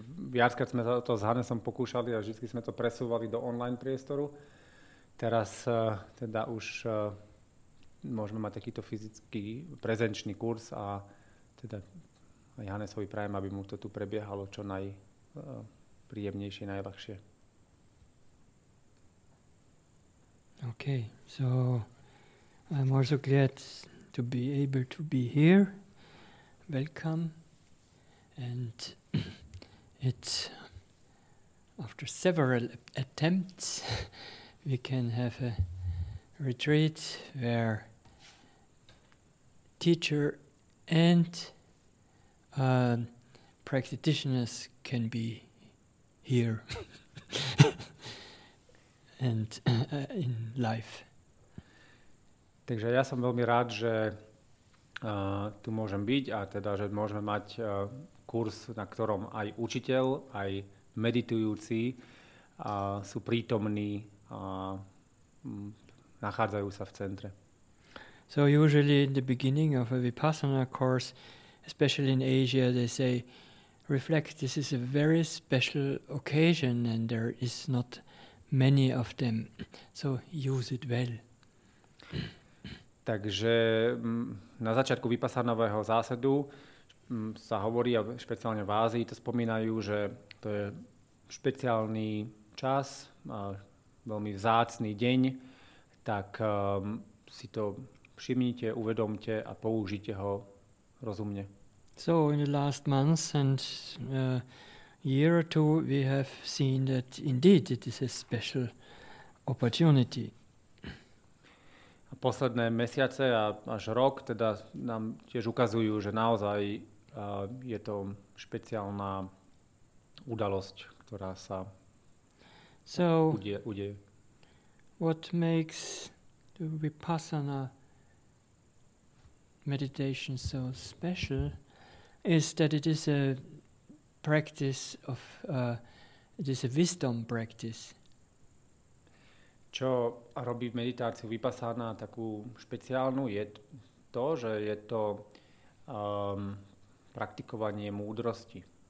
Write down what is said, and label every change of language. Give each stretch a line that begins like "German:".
Slovak: Viackrát sme to s Hannesom pokúšali a vždy sme to presúvali do online priestoru. Teraz teda už môžeme mať takýto fyzický prezenčný kurz a teda aj Hannesovi prajem, aby mu to tu prebiehalo čo najpríjemnejšie, najľahšie.
English: OK, so I'm also glad to be able to be here. Welcome. And it's after several attempts we can have a retreat where teacher and practitioners can be here and in life.
Slovak: Takže ja som veľmi rád, že tu môžem byť a teda, že môžeme mať kurz, na ktorom aj učiteľ, aj meditujúci sú prítomní a nachádzajú sa v centre.
English: So usually in the beginning of a Vipassana course, especially in Asia, they say, reflect, this is a very special occasion and there is not many of them, so use it well.
Slovak: Takže na začiatku vypasanového zásadu sa hovorí, a špeciálne v Ázii to spomínajú, že to je špeciálny čas, a veľmi vzácny deň, tak si to všimnite, uvedomte a použite ho rozumne.
English: So in the last months and year or two we have seen that indeed it is a special opportunity.
Slovak: Posledné mesiace a až rok teda nám tiež ukazujú, že naozaj je to špeciálna udalosť, ktorá sa udeje.
English: What makes the Vipassana meditation so special is that it is a practice of it is a wisdom practice.
Slovak: Čo robí meditáciu vypasaná takú špeciálnu, je to, že je to praktikovanie múdrosti.